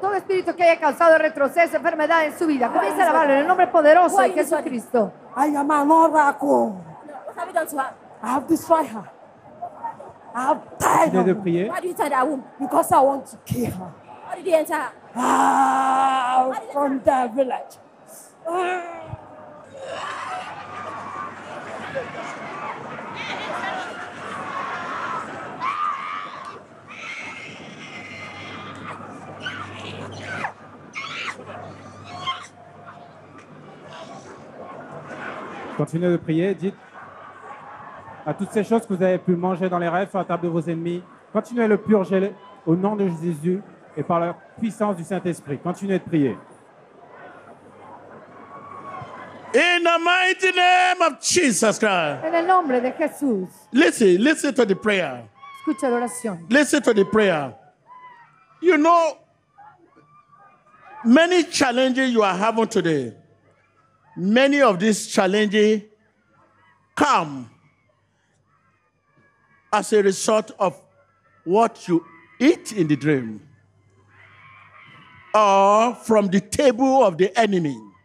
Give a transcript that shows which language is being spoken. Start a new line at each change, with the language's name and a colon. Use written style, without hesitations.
Spanish: Todo espíritu que haya causado retroceso, enfermedad en su vida, comienza a lavarlo en el nombre poderoso de Jesucristo.
English: I am an oracle. What have you done to her? I have destroyed her. I have tired of her. Why do you tell that womb? Because I want to kill her. How did he enter? From that village.
French: Continuez de prier, dites à toutes ces choses que vous avez pu manger dans les rêves sur la table de vos ennemis, continuez à le purger au nom de Jésus et par la puissance du Saint-Esprit. Continuez de prier.
English: In the mighty name of Jesus Christ.
Spanish: En el nombre de Jesús.
English: Listen to the prayer.
Spanish: Escucha la oración.
English: Listen to the prayer. You know, many challenges you are having today, many of these challenges come as a result of what you eat in the dream or from the table of the enemy.